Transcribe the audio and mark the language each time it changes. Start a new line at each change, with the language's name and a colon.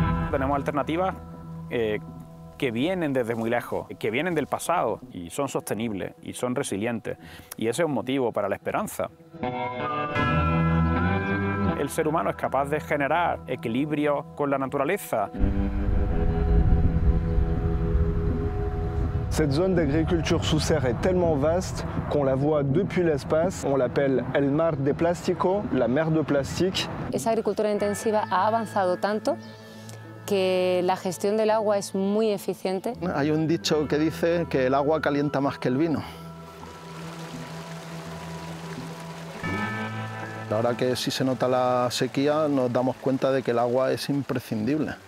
Spanish: Tenemos alternativas que vienen desde muy lejos, que vienen del pasado y son sostenibles y son resilientes. Y ese es un motivo para la esperanza. El ser humano es capaz de generar equilibrio con la naturaleza.
French: Cette zone d'agriculture sous serre est tellement vaste qu'on la voit depuis l'espace. On l'appelle el mar de plástico, la mer de plastique.
Spanish: Esa agricultura intensiva ha avanzado tanto que la gestión del agua es muy eficiente. Hay un dicho que dice que el agua calienta más que el vino. Ahora que sí se nota la sequía, nos damos cuenta de que el agua es imprescindible.